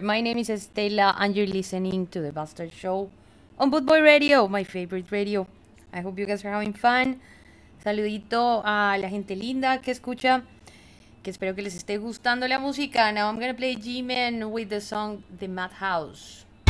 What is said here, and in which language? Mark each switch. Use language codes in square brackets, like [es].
[en] My name is Stella and you're listening to the Bastard Show on Boot Boy Radio, my favorite radio. I hope you guys are having fun. [es] Saludito a la gente linda que escucha, que espero que les esté gustando la música. [en] Now I'm gonna play G-Man with the song The Madhouse.